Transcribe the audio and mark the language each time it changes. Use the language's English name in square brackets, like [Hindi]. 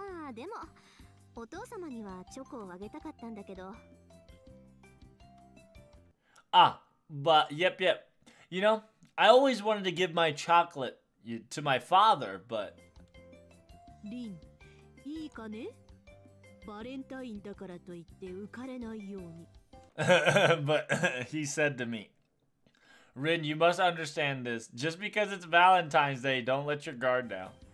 [English] But you know, I always wanted to give my chocolate to my father, but... [Japanese] Rin, iいかね? バレンタインだからといって浮かれないように。 [English] But he said to me, Rin, you must understand this. Just because it's Valentine's Day, don't let your guard down.